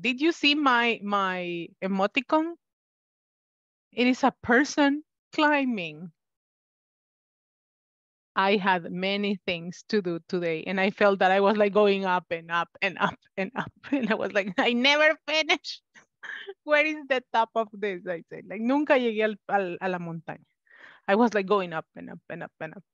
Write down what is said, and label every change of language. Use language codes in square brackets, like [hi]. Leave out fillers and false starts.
[en] Did you see my emoticon? It is a person climbing. I had many things to do today, and I felt that I was like going up and up and up and up. And I was like, I never finish. Where is the top of this? I said, like, [es] nunca llegué a la montaña. [en] I was like going up and up and up and up.